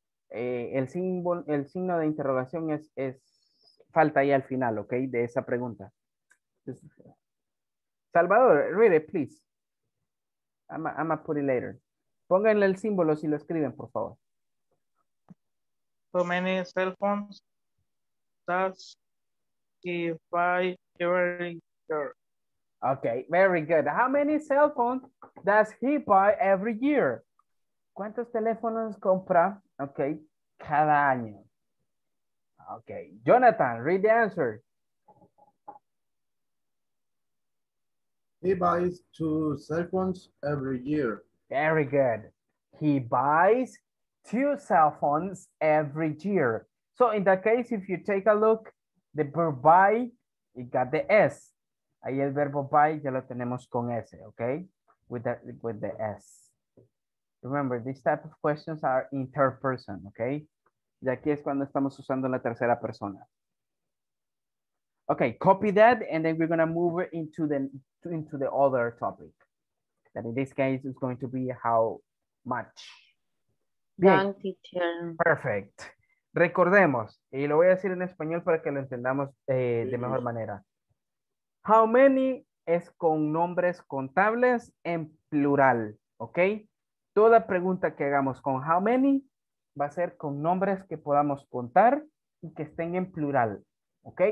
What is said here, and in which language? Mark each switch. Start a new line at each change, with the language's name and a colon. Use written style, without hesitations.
Spanish: El signo de interrogación es falta ahí al final, okay, de esa pregunta.
English: Salvador, read it, please. I'ma put it later.
Spanish: Pónganle el símbolo si lo escriben, por favor.
English: How many cell phones does he buy every year? Okay, very good. How many cell phones does he buy every year?
Spanish: ¿Cuántos teléfonos compra, okay, cada año?
English: Okay, Jonathan, read the answer. He buys 2 cell phones every year. Very good. He buys 2 cell phones every year. So in that case, if you take a look, the verb buy, it got the S.
Spanish: Ahí el verbo buy ya lo tenemos con S, okay?
English: With the S. Remember, these type of questions are interperson, okay?
Spanish: Y aquí es cuando estamos usando la tercera persona.
English: Okay, copy that, and then we're gonna move into the other topic. That in this case is going to be how much.
Spanish: Bien. Teacher.
English: Perfect.
Spanish: Recordemos, y lo voy a decir en español para que lo entendamos de mejor manera. How many es con nombres contables en plural, ¿ok? Toda pregunta que hagamos con how many va a ser con nombres que podamos contar y que estén en plural, ¿ok?